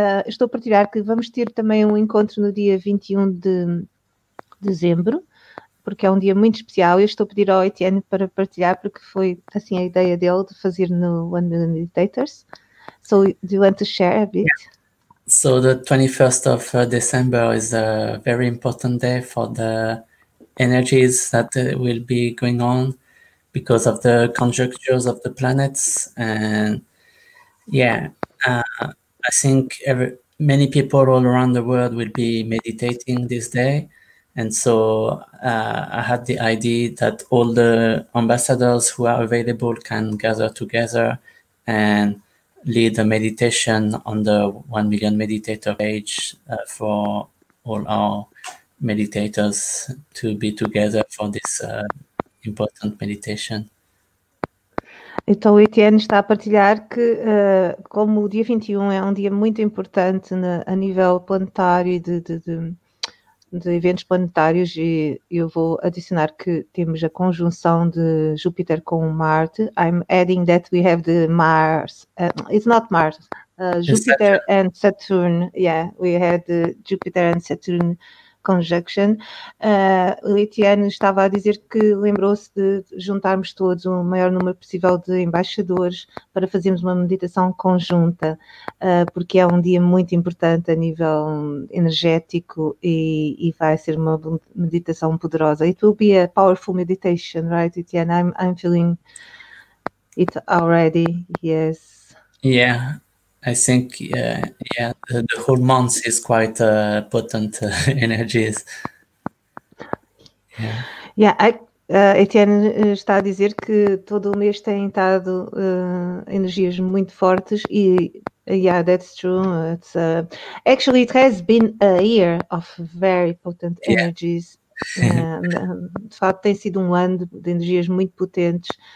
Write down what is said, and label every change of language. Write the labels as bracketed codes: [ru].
[pt] Estou a partilhar que vamos ter também um encontro no dia 21 de dezembro, porque é um dia muito especial. Eu estou a pedir ao Etienne para partilhar, porque foi assim a ideia dele de fazer no One Million Meditators. [en] So, do you want to share a bit? So the 21st of December is a very important day for the energies that will be going on because of the conjunctures of the planets. And yeah, I think many people all around the world will be meditating this day. And so I had the idea that all the ambassadors who are available can gather together and lead a meditation on the 1 Million Meditator page for all our meditators to be together for this important meditation. [pt] Então, o Etienne está a partilhar que, como o dia 21 é um dia muito importante a nível planetário e de eventos planetários, e eu vou adicionar que temos a conjunção de Júpiter com Marte. [en] I'm adding that we have the Mars. It's not Mars. Júpiter and Saturn. Yeah, we had the Júpiter and Saturn conjunction. [pt] O Etienne estava a dizer que lembrou-se de juntarmos todos o maior número possível de embaixadores para fazermos uma meditação conjunta, porque é um dia muito importante a nível energético e vai ser uma meditação poderosa. [en] It will be a powerful meditation, right, Etienne? I'm feeling it already, yes. I think the whole month is quite potent energies. [pt] Etienne está a dizer que todo o mês tem estado energias muito fortes e, [en] yeah, that's true. Actually, it has been a year of very potent energies. [pt] De facto, tem sido um ano de energias muito potentes.